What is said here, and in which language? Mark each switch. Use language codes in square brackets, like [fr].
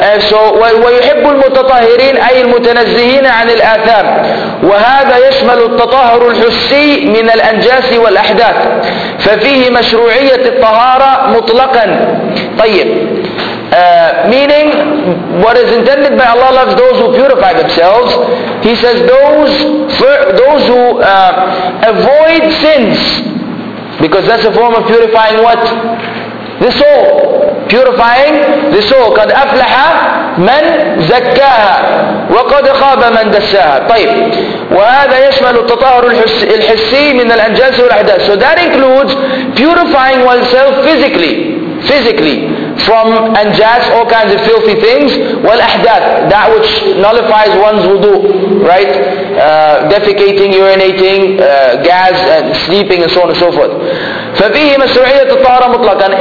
[ar] So ويحب المتطهرين أي المتنزهين عن الآثام وهذا يشمل التطهر الحسي من الأنجاس والأحداث ففيه مشروعية الطهارة مطلقا. طيب, [en] meaning what is intended by Allah loves those who purify themselves. He says those who avoid sins, because that's a form of purifying what? The soul. Purifying the soul. [ar] قد أفلح من زكاها وقد خاب من دساها. طيب, وهذا يشمل التطهر الحسي من الأنجاس والأحداث. [en] So that includes purifying oneself physically from anjas, all kinds of filthy things, wal ahdath, that which nullifies one's wudu, right? Defecating, urinating, gas, and sleeping, and so on and so forth. [ar] فبيه مسرعية الطهارة مطلقا.